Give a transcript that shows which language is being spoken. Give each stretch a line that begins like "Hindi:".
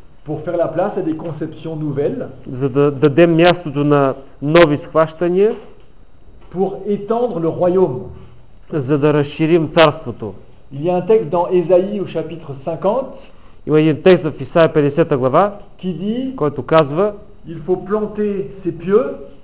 French: Pour faire la place à des conceptions nouvelles.
Bulgarian: За да дадем мястото на нови схващания.
French: Pour étendre le royaume.
Bulgarian: За да разширим царството.
French: Il y a un texte dans Ésaïe au chapitre 50. Il y a un texte dans Ésaïe 50 глава, qui dit,
Bulgarian: който казва,
French: il faut planter ses pieux.